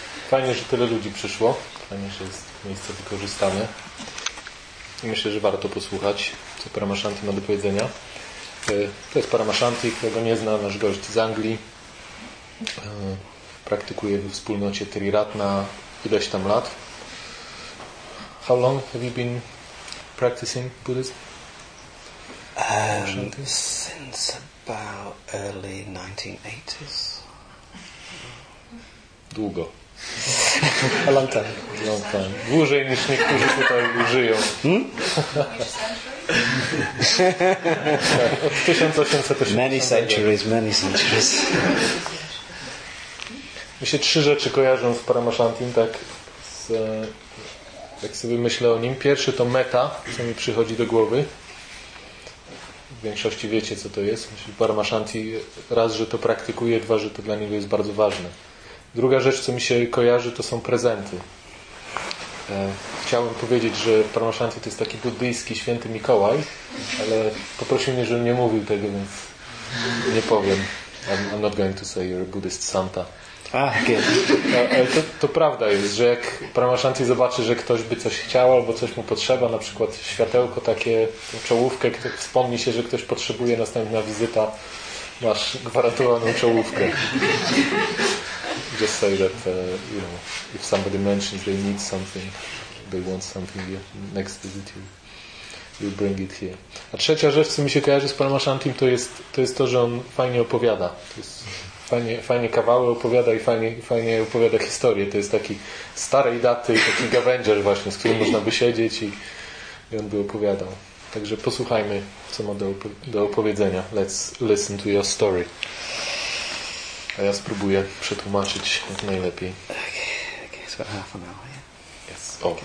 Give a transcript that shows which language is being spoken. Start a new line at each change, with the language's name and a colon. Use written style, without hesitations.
Polish: Fajnie, że tyle ludzi przyszło. Fajnie, że jest miejsce wykorzystane. I myślę, że warto posłuchać, co Paramashanti ma do powiedzenia. To jest Paramashanti, którego nie zna, nasz gość z Anglii. Praktykuje we wspólnocie Triratna ileś tam lat.
English: How long have you been practicing Buddhism? Since about early 1980s.
Polish: Długo.
English: A long time. Long time.
Polish: Dłużej niż niektórzy tutaj żyją. Od 1880.
English: Many centuries.
Polish: Mi się trzy rzeczy kojarzą z Paramashantim, tak? Jak sobie myślę o nim. Pierwszy to metta, co mi przychodzi do głowy. W większości wiecie, co to jest. Myślę, Paramashanti raz, że to praktykuje, dwa, że to dla niego jest bardzo ważne. Druga rzecz, co mi się kojarzy, to są prezenty. Chciałbym powiedzieć, że Paramashanti to jest taki buddyjski święty Mikołaj, ale poprosił mnie, żebym nie mówił tego, więc nie powiem.
English: I'm not going to say you're a Buddhist Santa.
Polish: Ale to prawda jest, że jak Paramashanti zobaczy, że ktoś by coś chciał albo coś mu potrzeba, na przykład światełko takie, tą czołówkę, wspomni się, że ktoś potrzebuje, następna wizyta, masz gwarantowaną czołówkę.
English: Just say that, if somebody mentions they need something, they want something, next visit you bring it here.
Polish: A trzecia rzecz, co mi się kojarzy z Paramashantim, to jest to, że on fajnie opowiada. To jest, Fajnie kawały opowiada i fajnie opowiada historię. To jest taki starej daty, taki gawędziarz właśnie, z którym można by siedzieć i on by opowiadał. Także posłuchajmy, co ma do opowiedzenia.
English: Let's listen to your story.
Polish: A ja spróbuję przetłumaczyć jak najlepiej.
English: Okay, it's about half an hour, yeah?